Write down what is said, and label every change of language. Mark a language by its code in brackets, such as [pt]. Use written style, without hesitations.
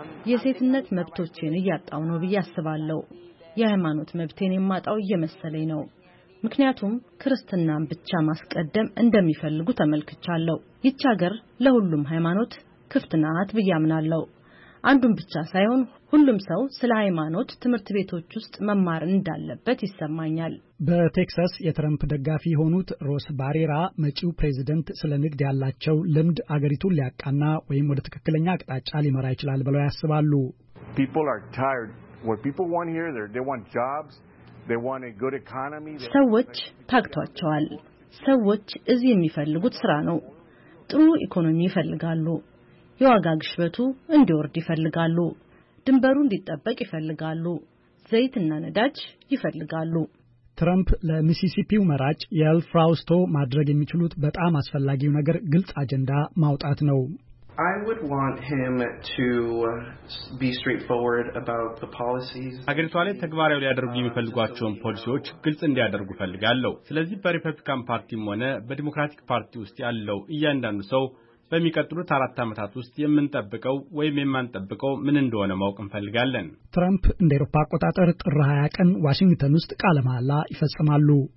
[am] የሴትነት መብቶቼን እያጣሁ ነው ብዬ አስባለሁ። የሃይማኖት መብቴን የማጣው እየመሰለኝ ነው። ምክንያቱም ክርስትናን ብቻ ማስቀደም እንደሚፈልጉ ተመልክቻለሁ። ይቺ ሀገር ለሁሉም ሃይማኖት ክፍት ናት ብዬ አምናለሁ። አንዱን ብቻ ሳይሆን ሁሉም ሰው ስለ ሃይማኖት ትምህርት ቤቶች ውስጥ መማር እንዳለበት ይስማኛል። በቴክሳስ የትራምፕ ደጋፊ የሆኑት ሮስ ባሬራ መጪው ፕሬዝዳንት ስለ ንግድ ያላቸው ልምድ አገሪቱን ሊያቃና ወይም ወደ ትክክለኛ አቅጣጫ ሊመራ ይችላል ብለው ያስባሉ። [en] People are tired. What people want here, they want jobs. They want a good economy. [am] ሰዎች ታክቷቸዋል። ሰዎች እዚህ የሚፈልጉት ስራ ነው። ጥሩ ኢኮኖሚ ይፈልጋሉ። የዋጋ ግሽበቱ እንዲወርድ ይፈልጋሉ። ድንበሩ እንዲጠበቅ ይፈልጋሉ። ዘይትና ነዳጅ ይፈልጋሉ። ትራምፕ ለሚሲሲፒው መራጭ የል ፍራውስቶ ማድረግ የሚችሉት በጣም አስፈላጊው ነገር ግልጽ አጀንዳ ማውጣት ነው። [en] I would want him to be straightforward about the policies. [am] አገልግሎት ተግባራዊ ሊያደርጉ የሚፈልጓቸው ፖሊሲዎች ግልጽ እንዲያደርጉ ፈልጋለሁ። ስለዚህ በሪፐብሊካን ፓርቲም ሆነ በዲሞክራቲክ ፓርቲ ውስጥ ያለው እያንዳንዱ ሰው በሚቀጥሉት 4 አመታት ውስጥ የምንጠብቀው ወይም የማንጠብቀው ምን እንደሆነ ማወቅ እንፈልጋለን። ትራምፕ እንደ አውሮፓ አቆጣጠር ጥር 20 ቀን ዋሽንግተን ውስጥ ቃለ መሃላ ይፈጽማሉ።